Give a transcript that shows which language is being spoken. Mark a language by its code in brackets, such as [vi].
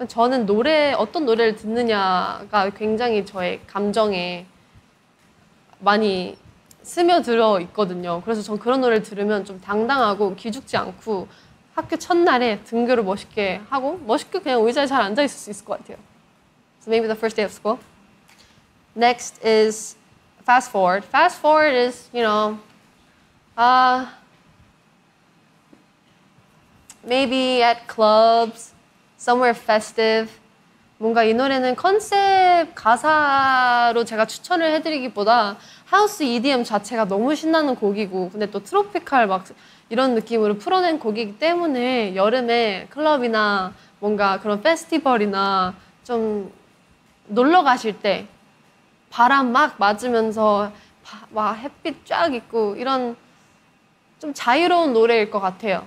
[ko] 저는 노래 어떤 노래를 듣느냐가 굉장히 저의 감정에 많이 스며들어 있거든요. 그래서 전 그런 노래를 들으면 좀 당당하고 기죽지 않고 학교 첫날에 등교를 멋있게 하고 멋있게 그냥 의자에 잘 앉아있을 수 있을 것 같아요. [en] So maybe the first day of school. Next is fast forward. Fast forward is, you know, maybe at clubs, somewhere festive. [ko] 뭔가 이 노래는 컨셉 가사로 제가 추천을 해드리기보다 하우스 EDM 자체가 너무 신나는 곡이고 근데 또 트로피컬 막 이런 느낌으로 풀어낸 곡이기 때문에 여름에 클럽이나 뭔가 그런 페스티벌이나 좀 놀러 가실 때 바람 막 맞으면서 막 햇빛 쫙 있고 이런 좀 자유로운 노래일 것 같아요.